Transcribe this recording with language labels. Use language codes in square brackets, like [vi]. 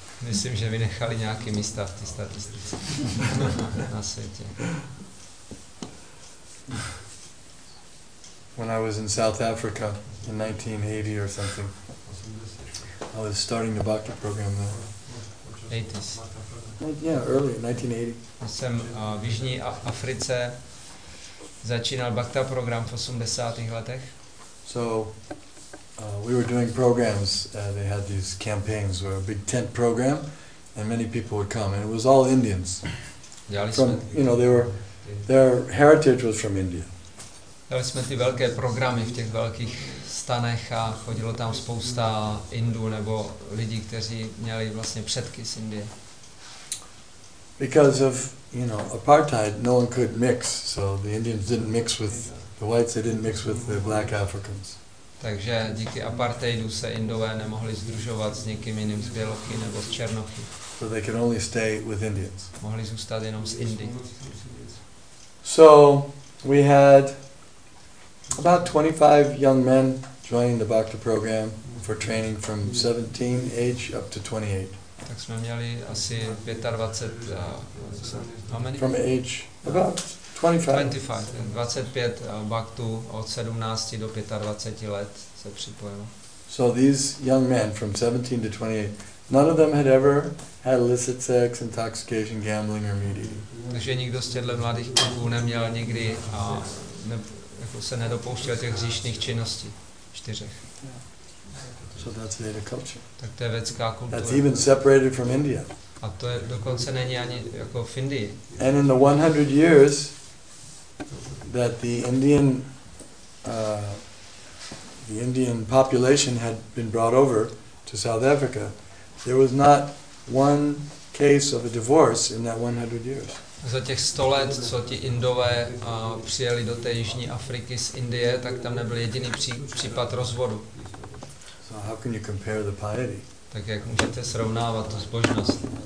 [cs] Myslím, že vynechali nějaké místa v té statistice na světě. [en] when I was in South Africa in 1980 or something. I was starting the bhakti program there. 80s. Yeah, early, 1980. [cs] Jsem v Jižní Africe začínal bhakti program v 80. letech. [en] So we were doing programs. They had these campaigns where a big tent program and many people would come and it was all Indians. [cs] Dělali [en] from, [cs] jsme, [en] you know, they were, their heritage was from India. [cs] Dělali jsme ty velké programy v těch velkých stanech a chodilo tam spousta Indů nebo lidí, kteří měli vlastně předky z Indie. [en] Because of, you know, apartheid, no one could mix, so the Indians didn't mix with the whites, they didn't mix with the black Africans. [cs] Takže díky apartheidu se Indové nemohli sdružovat s někým jiným z bělochy nebo z černochy. [en] So they could only stay with Indians. [cs] Mohli zůstat jenom s Indy. [en] So we had about 25 young men joining the bhakti program for training from 17 age up to 28. [cs] Tak jsme měli asi 25 [en] from age about 25. [cs] 25 baktů od 17 do 25 let se připojilo. [en] So these young men from 17 to 28, none of them had ever had illicit sex, intoxication, gambling or meat eating. [cs] Takže nikdo z těchto mladých kluků neměl nikdy a ne, jako se nedopouštěl těch hříšných činností. Čtyřech. [en] So that's Veda culture. [cs] Tak to je vedská kultura. [en] That's even separated from India. [cs] A to je dokonce není ani jako v Indii. [en] And in the 100 years that the Indian population had been brought over to South Africa, there was not one case of a divorce in that 100 years. [cs] Za těch 100 let, co ti Indové přijeli do té jižní Afriky z Indie, tak tam nebyl jediný případ rozvodu. [en] So how can you compare the piety? [cs] Tak jak můžete srovnávat tu zbožnost?